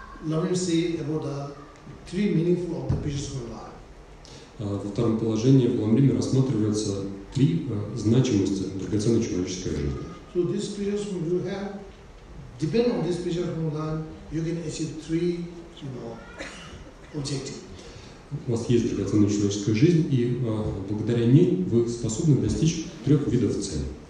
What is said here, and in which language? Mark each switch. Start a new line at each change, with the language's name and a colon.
English: Let me say about the three meaningful of the precious human life.
Russian: Во втором положении в Ламриме рассматриваются три значимости драгоценной человеческой жизни.
English: So this precious human you have, depend on this precious human life. You can achieve three, you know, objectives.
Russian: У вас есть драгоценная человеческая жизнь, и благодаря ней вы способны достичь трех видов цели.